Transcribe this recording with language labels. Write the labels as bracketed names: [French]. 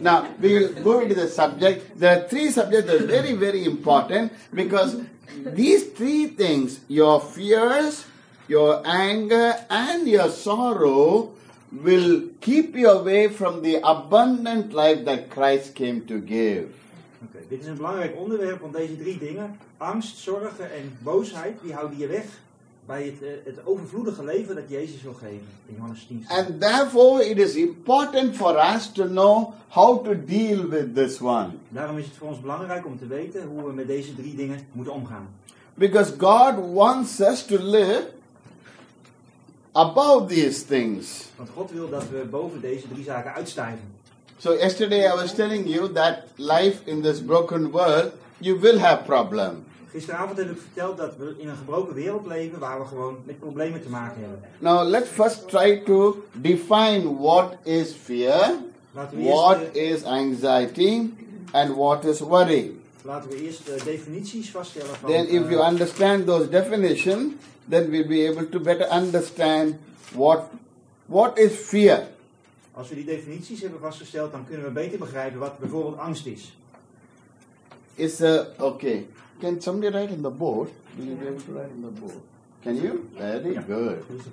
[English] Now, we will go into the subject. There are three subjects that are very, very important because these three things, your fears, your anger, and your sorrow will keep you away from the abundant life that Christ came to give. [Dutch] Okay, dit is een belangrijk onderwerp, want deze drie dingen, angst, zorgen en boosheid, die houden je weg bij het overvloedige leven dat Jezus wil geven in Johannes 10. [English] And therefore it is important for us to know how to deal with this one. [Dutch] Daarom is het voor ons belangrijk om te weten hoe we met deze drie dingen moeten omgaan. [English] Because God wants us to live above these things. [Dutch] Want God wil dat we boven deze drie zaken uitstijgen. [English] So yesterday I was telling you that life in this broken world, you will have problems. [Dutch] Gisteravond heb ik verteld dat we in een gebroken wereld leven waar we gewoon met problemen te maken hebben. [English] Now let's first try to define what is fear, what is anxiety and what is worry. [Dutch] Laten we eerst de definities vaststellen. Van, [English] then if you understand those definitions, then we'll be able to better understand what is fear. [Dutch] Als we die definities hebben vastgesteld, dan kunnen we beter begrijpen wat bijvoorbeeld angst is. [English] Is okay. Can somebody write in the board? Will you be able to write in the board? Can you? Very good.